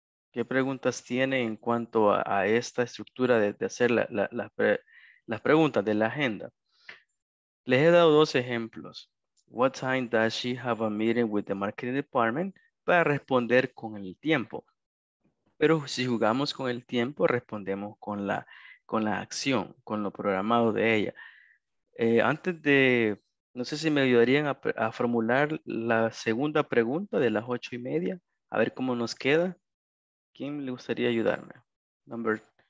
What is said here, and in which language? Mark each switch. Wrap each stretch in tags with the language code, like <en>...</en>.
<es>¿Qué preguntas tiene en cuanto a esta estructura de hacer las preguntas de la agenda? Les he dado dos ejemplos.</es> <en>What time does she have a meeting with the marketing department?</en> <es>Para responder con el tiempo. Pero si jugamos con el tiempo, respondemos con la acción, con lo programado de ella. No sé si me ayudarían a formular la segunda pregunta de las 8:30. A ver cómo nos queda. ¿Quién le gustaría ayudarme? Number.</es>